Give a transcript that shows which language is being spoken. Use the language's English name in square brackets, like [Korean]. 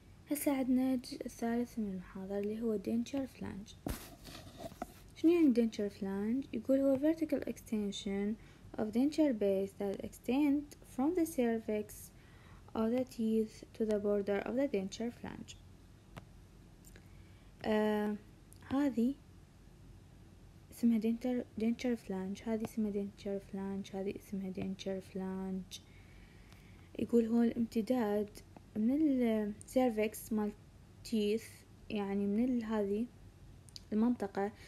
[Arabic] هسا عدنا الجزء الثالث من المحاضرة اللي هو دينشر فلانج. شنو يعني دينشر فلانج؟ يقول هو [English] vertical extension of denture base that extend from the cervix of the teeth to the border of the denture flange. [Arabic] هذه اسمها denture flange, هذه اسمها denture flange, هذه اسمها denture flange. يقول هو الامتداد من cervix مال teeth, يعني من هذه المنطقة.